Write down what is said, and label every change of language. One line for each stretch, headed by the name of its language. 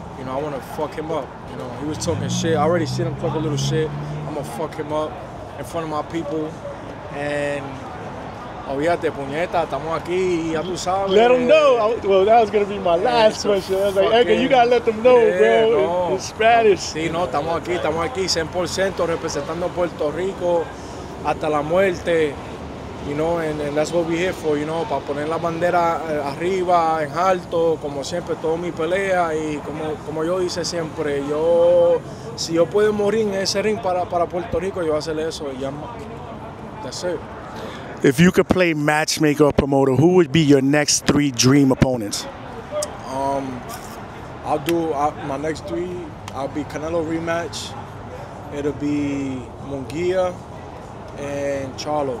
English: You know, I want to fuck him up. You know, he was talking shit. I already seen him talk a little shit. I'm going to fuck him up in front of my people. And,
Spanish: olvídate, puñeta, estamos aquí, ya tú sabes.
English: Let him know. Well, that was going to be my last question. I was like, Edgar, you got to let them know, bro, in Spanish.
Spanish: Sí, no, estamos aquí, 100% representando Puerto Rico hasta la muerte.
English: You know, and that's what we're here for, you know,
Spanish: para poner la bandera arriba, en alto, como siempre, todo mi pelea. Y como yo hice siempre, yo, si yo puedo morir en ese ring para Puerto Rico, yo voy a hacer eso.
English: That's it. If you could play matchmaker or promoter, who would be your next three dream opponents? My next three, I'll be Canelo rematch. It'll be Munguia and Charlo.